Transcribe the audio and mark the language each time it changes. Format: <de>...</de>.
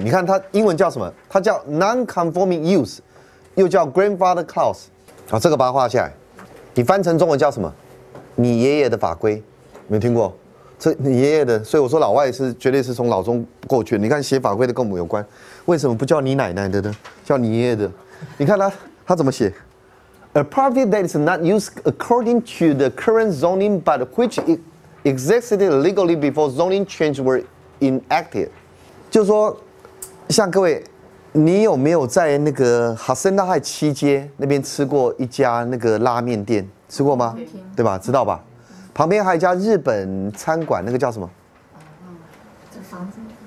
<zh>你看它英文叫什么？它叫 non-conforming use， 又叫 grandfather clause。好，哦，这个把它画下来。你翻成中文叫什么？你爷爷的法规，没听过？这你爷爷的，所以我说老外是绝对是从老中过去的。你看写法规的跟我们有关，为什么不叫你奶奶的呢？叫你爷爷的。你看他怎么写？</zh> <en>A property that is not used according to the current zoning, but which existed legally before zoning change were enacted.</en> <zh>就是说，像各位，你有没有在那个哈森大海七街那边吃过一家那个拉面店？吃过吗？对吧？知道吧？旁边还有一家日本餐馆，那个叫什么？这房子</zh>